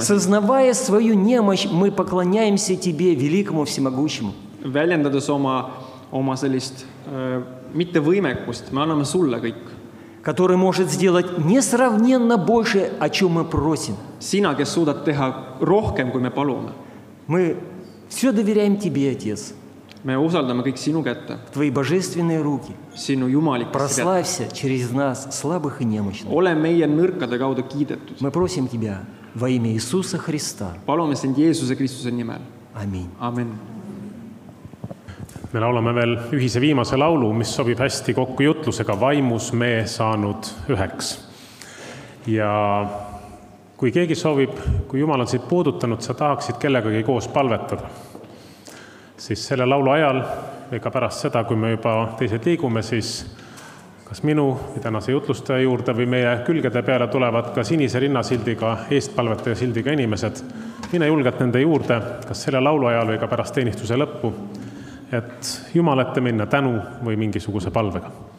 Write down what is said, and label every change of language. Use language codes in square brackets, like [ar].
[ru] Сознавая свою немощь, мы поклоняемся Тебе, великому всемогущему. [et] Väljendades oma sellist mitte võimekust, me anname sulle kõik. [ru] Который может сделать несравненно больше, о чем мы просим. [et] Sina, kes suudad teha rohkem, kui me palume. [ru] Мы все доверяем Тебе, Отец. [et] Me usaldame kõik sinu kätte. [ru] В Твои божественные руки. [et] Sinu jumalikesse [ru] Прославься через нас, слабых и немощных. [et] Ole meie nõrkade kaudu kiidetud. [ru] Мы просим Тебя во имя Иисуса Христа. [et] Palume sind Jeesuse Kristuse nimel. [ru] Amin. [et] Amen. Me laulame veel ühise viimase laulu, mis sobib hästi kokku jutlusega Vaimus me saanud üheks. Ja kui keegi soovib, kui Jumal on siit puudutanud, sa tahaksid kellegagi koos palvetada, siis selle laulu ajal või ka pärast seda, kui me juba teised liigume, siis kas minu või tänase jutlustaja juurde või meie külgede peale tulevad ka sinise rinnasildiga, eestpalvetaja sildiga inimesed, mine julgelt nende juurde, kas selle laulu ajal või ka pärast teenistuse lõppu, et Jumal ette minna tänu või mingisuguse palvega.